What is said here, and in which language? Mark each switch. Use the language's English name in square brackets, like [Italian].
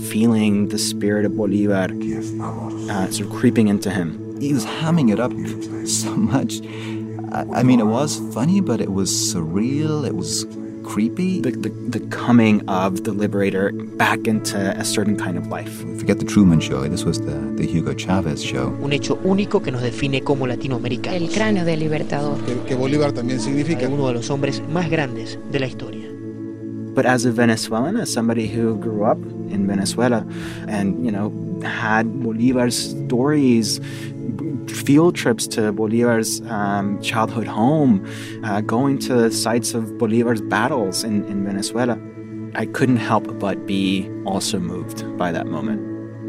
[English] Feeling the spirit of Bolívar sort of creeping into him. He was hamming it up so much. I mean, it was funny, but it was surreal. It was creepy. The coming of the liberator back into a certain kind of life. Forget the Truman Show. This was the Hugo Chavez show. [Spanish] Un hecho único que nos define como latinoamericanos. El cráneo del libertador. Que Bolívar también significa. Uno de los hombres más grandes de la historia. [English] But as a Venezuelan, as somebody who grew up in Venezuela and, you know, had Bolívar's stories, field trips to Bolívar's childhood home, going to the sites of Bolívar's battles in Venezuela, I couldn't help but be also moved by that moment.